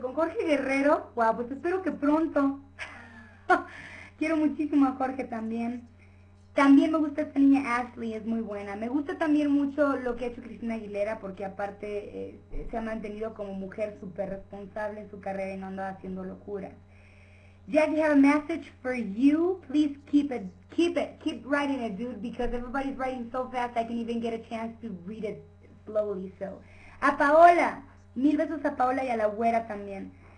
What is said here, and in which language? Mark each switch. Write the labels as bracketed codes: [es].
[es] ¿Con Jorge Guerrero? Wow, pues espero que pronto. Quiero muchísimo a Jorge también. También me gusta esta niña Ashley, es muy buena. Me gusta también mucho lo que ha hecho Cristina Aguilera, porque aparte se ha mantenido como mujer súper responsable en su carrera y no anda haciendo locuras. [en] Jackie, have a message for you. Please keep it, keep writing it, dude, because everybody's writing so fast I can't even get a chance to read it slowly, so. [es] A Paola, mil besos a Paola y a la güera también.